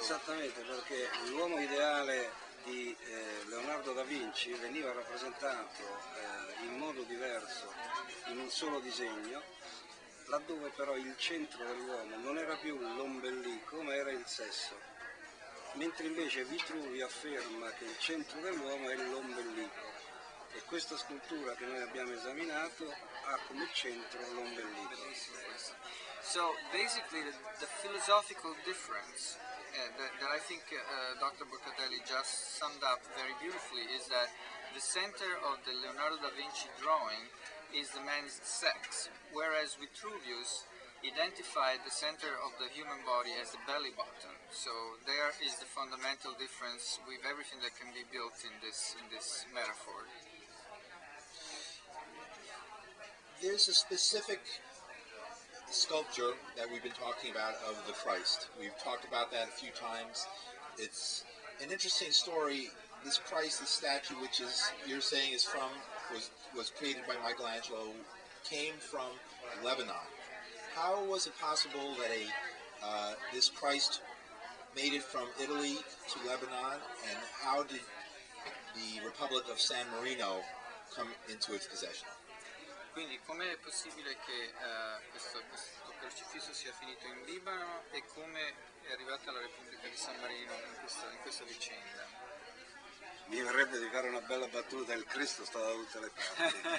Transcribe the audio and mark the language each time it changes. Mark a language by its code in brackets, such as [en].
[it] Esattamente, perché l'uomo ideale di Leonardo da Vinci veniva rappresentato in modo diverso in un solo disegno, laddove però il centro dell'uomo non era più l'ombelico ma era il sesso, mentre invece Vitruvio afferma che il centro dell'uomo è l'ombelico, e questa scultura che noi abbiamo esaminato ha come centro l'ombelico. [en] So basically the philosophical difference that I think Dr. Boccardelli just summed up very beautifully is that the center of the Leonardo da Vinci drawing is the man's sex, whereas Vitruvius identified the center of the human body as the belly button. So there is the fundamental difference with everything that can be built in this metaphor. There's a specific sculpture that we've been talking about of the Christ. We've talked about that a few times. It's an interesting story. This Christ, this statue, which is you're saying is from was created by Michelangelo, came from Lebanon. How was it possible that this Christ made it from Italy to Lebanon, and how did the Republic of San Marino come into its possession? [it] Quindi com'è possibile che questo crocifisso sia finito in Libano e come è arrivata la Repubblica di San Marino in questa vicenda? Mi verrebbe di fare una bella battuta, il Cristo sta da tutte le parti.